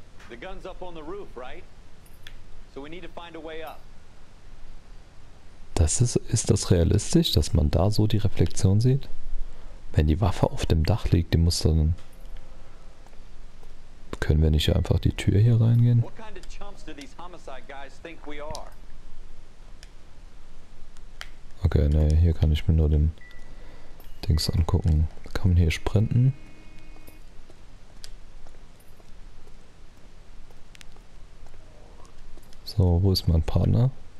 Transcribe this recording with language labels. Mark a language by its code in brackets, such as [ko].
[en] The gun's up on the roof, right? So we need to find a way up. [de] Das ist das realistisch, dass man da so die Reflexion sieht? Wenn die Waffe auf dem Dach liegt, die muss dann... Können wir nicht einfach die Tür hier reingehen? [en] What kind of chumps do these homicide guys think we are? [de] Okay, ne, hier kann ich mir nur den Dings angucken. Kann man hier sprinten? So, wo ist mein Partner?